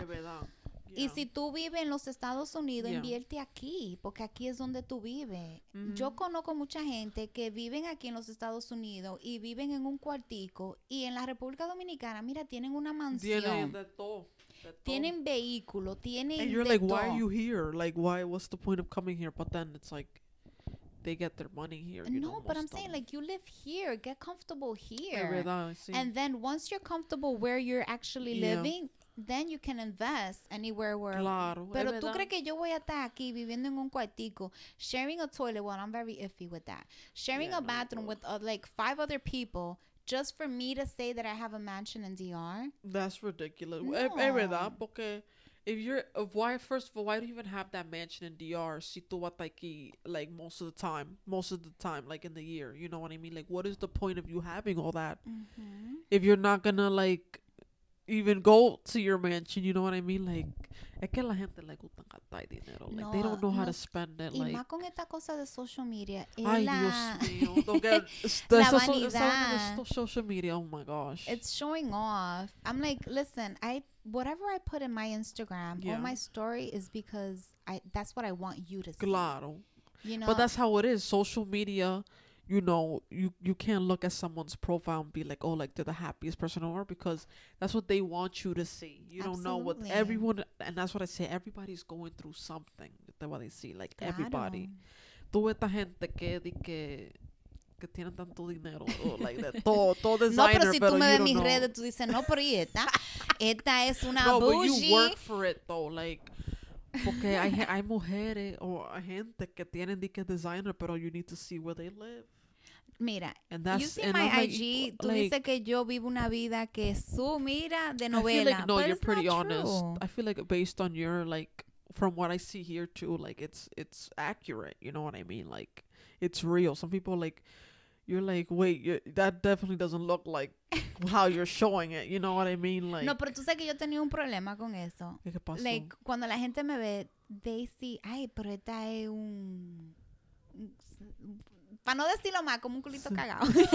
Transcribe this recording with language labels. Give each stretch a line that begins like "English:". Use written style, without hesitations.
Spanish: Es verdad.
English: Yeah.
Spanish: Y si tú vives en los Estados Unidos, yeah, invierte aquí, porque aquí es donde tú vives. Mm-hmm. Yo conozco mucha gente que viven aquí en los Estados Unidos y viven en un cuartico. Y en la República Dominicana, mira, tienen una mansión. Tienen de todo. Tienen vehículo, tienen de todo.
English: And you're like, why are you here? Like, why, what's the point of coming here? But then it's like, they get their money here. No, but I'm saying, like, you live here. Get comfortable here. Everything, I see. And then once you're comfortable where you're actually living... Then you can invest anywhere where.
Spanish: Claro, pero tú crees que yo voy a estar aquí viviendo en un cuartico,
English: sharing a toilet. Well, I'm very iffy with that. Sharing a bathroom with like 5 other people just for me to say that I have a mansion in DR. That's ridiculous. No.
Spanish: Es verdad, porque
English: if you're, why, first of all, why do you even have that mansion in DR?
Spanish: Si tú vas aquí,
English: like most of the time, like in the year, you know what I mean? Like, what is the point of you having all that if you're not gonna like even go to your mansion, you know what I mean?
Spanish: Like, es que la gente le gusta gastar dinero.
English: Like, no, they don't know how to spend it.
Spanish: Y
English: like,
Spanish: más con esta cosa de social media. Ay, Dios mío. La vanidad.
English: Social media, oh my gosh. It's showing off. I'm like, listen, whatever I put in my Instagram, all my story is because that's what I want you to see.
Spanish: Claro.
English: You know? But that's how it is. Social media... You know, you can't look at someone's profile and be like, oh, like, they're the happiest person ever, because that's what they want you to see. You absolutely don't know what everyone, and that's what I say, everybody's going through something that what they see, like,
Spanish: claro,
English: everybody.
Spanish: Tú esta gente que tienen tanto dinero, like, de todo designer, pero no, pero si pero tú me ves mis
English: know
Spanish: redes, tú dices, no, pero y esta es una no,
English: bougie. No, but you work for it, though, like...
Spanish: Porque hay mujeres o gente que tienen dique designer, pero
English: you need to see where they live.
Spanish: Mira,
English: and that's, you see and my I'm IG,
Spanish: like, tú like, dices que yo vivo una vida que su mira de novela.
English: I feel like, no, but you're pretty honest. True. I feel like based on your, like, from what I see here too, like, it's accurate, you know what I mean? Like, it's real. Some people, like, you're like, wait, that definitely doesn't look like how you're showing it. You know what I mean? Like,
Spanish: no, pero tú sabes que yo tenía un problema con eso. ¿Qué pasó? Like, cuando la gente me ve,
English: they see,
Spanish: ay, pero esta es un... Para no decirlo más, como un culito cagado.